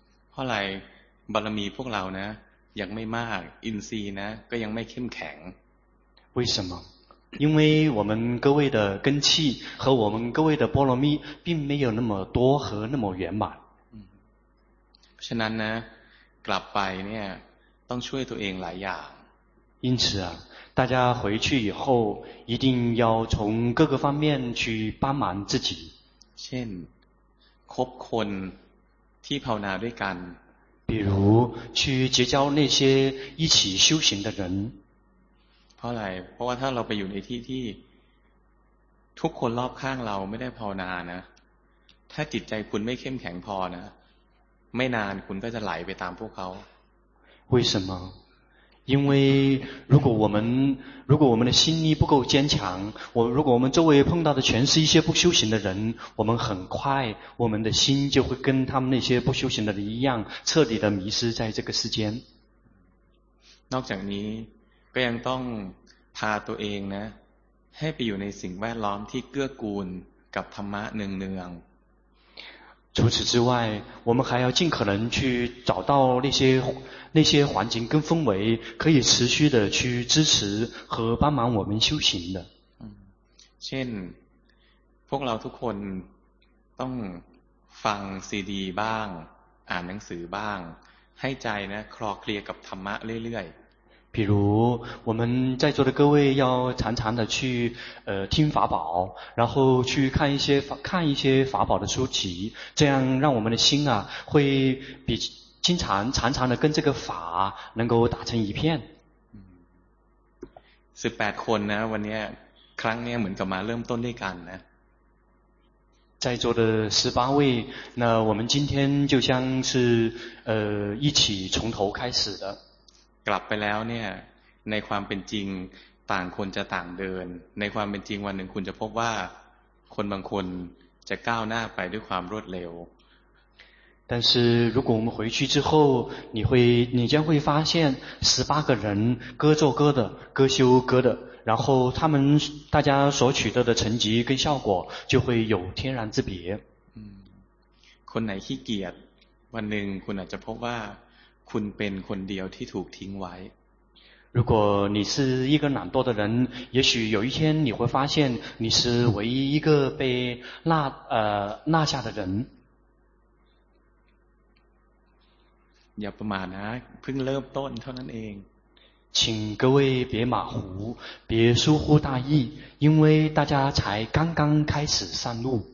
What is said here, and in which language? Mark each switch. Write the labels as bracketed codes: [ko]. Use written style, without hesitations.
[zh] 后来 [th] บารมีพวกเราเนี่ยยังไม่มากอินทรีย์นะก็ยังไม่เข้มแข็ง [zh] 为什么因为我们各位的根气和我们各位的波罗蜜并没有那么多和那么圆满 [th] ฉะนั้นนะกลับไปเนี่ยต้องช่วยตัวเองหลายอย่าง [zh] 因此啊大家回去以后一定要从各个方面去帮忙自己 [th] เช่นคบคนที่ภาวนาด้วยกัน [zh] 比如去结交那些一起修行的人 [th] เพราะอะไรเพราะว่าถ้าเราไปอยู่ในที่ที่ทุกคนรอบข้างเราไม่ได้ภาวนานะถ้าจิตใจคุณไม่เข้มแข็งพอนะไม่นานคุณก็จะไหลไปตามพวกเขา [zh] 为什么因为如果我们的心力不够坚强如果我们周围碰到的全是一些不修行的人我们很快我们的心就会跟他们那些不修行的人一样彻底的迷失在这个世间 [th] นอกจากนี้ก็ยังต้องพาตัวเองนะให้ไปอยู่ในสิ่งแวดล้อมที่เกื้อกูลกับธรรมะเนือง [zh] ๆ除此之外我们还要尽可能去找到那些环境跟氛围可以持续的去支持和帮忙我们修行的 [th] เช่นพวกเราทุกคนต้องฟังซีดีบ้างอ่านหนังสือบ้างให้ใจนะคลอเคลียกับธรรมะเรื่อยๆ [zh] 比如我们在座的各位要常常的去听法宝然后去看一些法宝的书籍这样让我们的心啊会比经常常常的跟这个法能够打成一片 [th] 18คนนะวันนี้ครั้งนี้เหมือนกับมาเริ่มต้นด้วยกันนะ [zh] 在座的18位那我们今天就像是一起从头开始的 [th] กลับไปแล้วเนี่ยในความเป็นจริงต่างคนจะต่างเดินในความเป็นจริงวันหนึ่งคุณจะพบว่าคนบางคนจะก้าวหน้าไปด้วยความรวดเร็ว [zh] 但是如果我们回去之后你将会发现18个人各做各的各修各的然后他们大家所取得的成绩跟效果就会有天壤之别 [th] คนไหนขี้เกียจวันหนึ่งคุณอาจจะพบว่าคุณเป็นคนเดียวที่ถูกทิ้งไว้ [zh] 如果你是一个懒惰的人也许有一天你会发现你是唯一一个被落下的人 [th] อย่าประมาทนะเพิ่งเริ่มต้นเท่านั้นเอง [zh] 请各位别马虎，别疏忽大意，因为大家才刚刚开始上路。